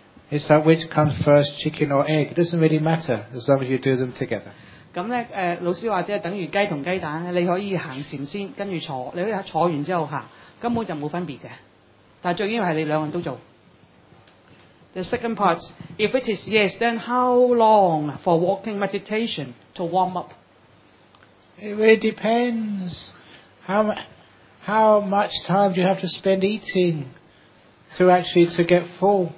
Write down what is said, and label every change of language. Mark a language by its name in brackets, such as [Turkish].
[English] It's that which comes first, chicken or egg. It doesn't really matter as long as you do them together. [Cantonese] 咁咧，老師話即係等於雞同雞蛋，你可以行前先，跟住坐，你可以坐完之後行，根本就冇分別嘅。但係最緊要係你兩個人都做。 [English] The second part, if it is yes, then how long for walking meditation to warm up? It really depends. How much time do you have to spend eating to get full?